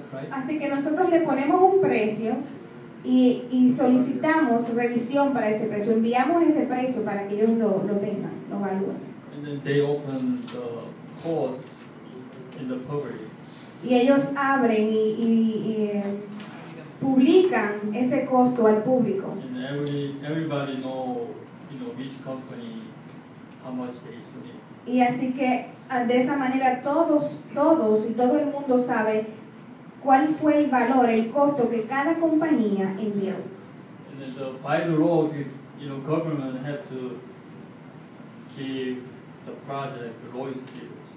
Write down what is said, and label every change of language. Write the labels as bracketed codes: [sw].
[es] Así que nosotros le ponemos un precio y solicitamos revisión para ese precio, enviamos ese precio para que ellos lo tengan, lo evalúen. [en] And then they open the cost in the poverty. [es] Y ellos abren y publican ese costo al público. [en] And everybody know, you know, which company, how much they submit. [es] Y así que de esa manera todos y todo el mundo sabe cuál fue el valor, el costo que cada compañía envió. [en] And then by the law, you know, government have to give the project the lowest deal.